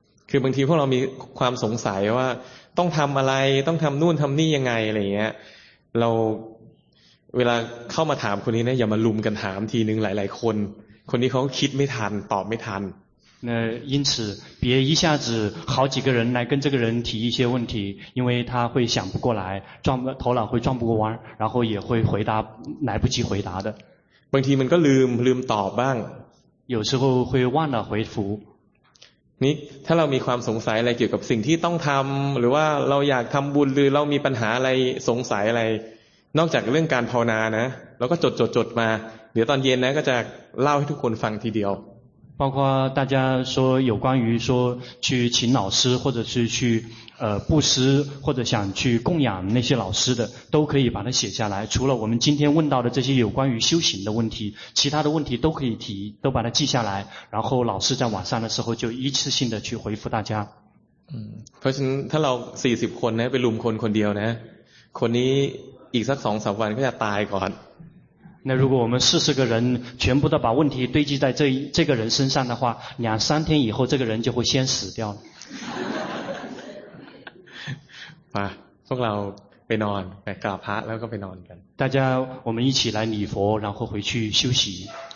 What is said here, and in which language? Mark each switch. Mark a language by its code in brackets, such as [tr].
[th] คือบางทีพวกเรามีความสงสัยว่าต้องทำอะไรต้องทำนู่นทำนี่ยังไงอะไรเงี้ยเราเวลาเข้ามาถามคนนี้เนี่ยอย่ามาลุมกันถามทีนึงหลายๆคนคนนี้เขาคิดไม่ทันตอบไม่ทัน [zh] 那因此别一下子好几个人来跟这个人提一些问题因为他会想不过来转头脑会转不过弯然后也会回答来不及回答的 [th] บางทีมันก็ลืมตอบบ้าง [zh] 有时候会忘了回复 [th] นี่ถ้าเรามีความสงสัยอะไรเกี่ยวกับสิ่งที่ต้องทำหรือว่าเราอยากทำบุญหรือเรามีปัญหาอะไรสงสัยอะไรนอกจากเรื่องการภาวนานะเราก็จดมาเดี๋ยวตอนเย็นนะก็จะเล่าให้ทุกคนฟังทีเดียว [zh] 包括大家说有关于说去请老师或者是去布施或者想去供养那些老师的都可以把它写下来除了我们今天问到的这些有关于修行的问题其他的问题都可以提都把它记下来然后老师在晚上的时候就一次性的去回复大家 [th] เพราะฉะนั้นถ้าเรา40 คนนะไปลุมคนเดียวนะคนนี้อีกสัก2-3 วันก็จะตายก่อน [zh] 那如果我们40个人全部都把问题堆积在这个人身上的话，2-3天以后，这个人就会先死掉了。 [th] 啊，พวกเราไปนอนไปกราบพระแล้วก็ไปนอนกัน。 [zh] 大家，我们一起来礼佛，然后回去休息。